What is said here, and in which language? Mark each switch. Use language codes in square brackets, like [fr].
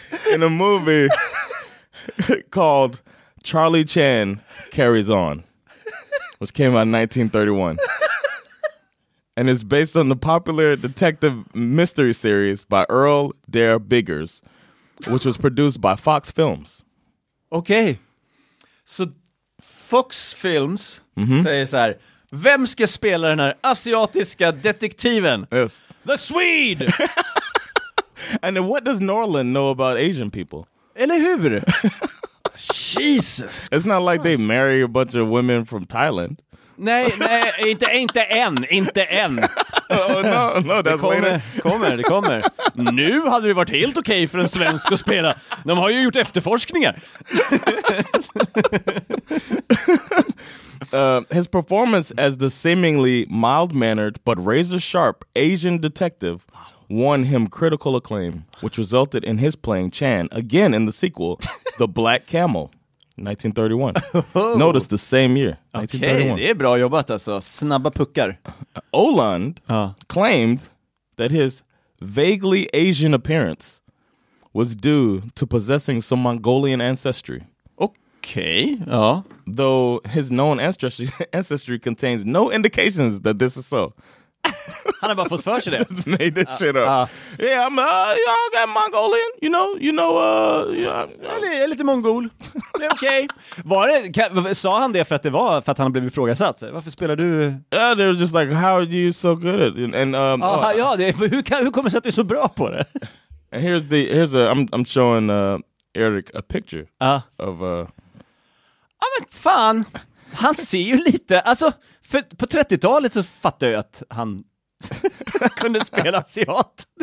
[en] In a movie called Charlie Chan Carries On, which came out in 1931. And it's based on the popular detective mystery series by Earl Dare Biggers, which was produced by Fox Films. Okay. [sv] So Fox Films säger så här, vem ska spela den här asiatiska detektiven? [en] Yes. The Swede! And then what does Norland know about Asian people? [sv] Eller hur? Jesus. [en] It's not like they marry a bunch of women from Thailand. [sv] Nej, inte än. [en] No, that's [sv] kommer, [en] later. [sv] Det kommer. Nu hade det varit helt okej för en svensk att spela. De har ju gjort efterforskningar. [en] His performance as the seemingly mild-mannered but razor-sharp Asian detective won him critical acclaim, which resulted in his playing Chan again in the sequel, The Black Camel. 1931. Notice the same year. [sv] Okay, det är bra jobbat alltså. Snabba puckar. [en] Ölund claimed that his vaguely Asian appearance was due to possessing some Mongolian ancestry. Okay. Though his known ancestry contains no indications that this is so. [sv] Han har bara fått för sig det. [en] Just made this shit up. Yeah, I'm y'all got Mongolian, you know, [sv] jag är lite mongol. Det är okej. Var det, sa han det för att det var för att han blev ifrågasatt? Varför spelar du? [en] Yeah, they were just like, how are you so good at it? [sv] Hur kommer det sig att du är så bra på det? [en] And I'm showing Eric a picture of [sv] Ja, men fan. Han ser ju lite, alltså för på 30-talet så fattade jag att han kunde spela asiat.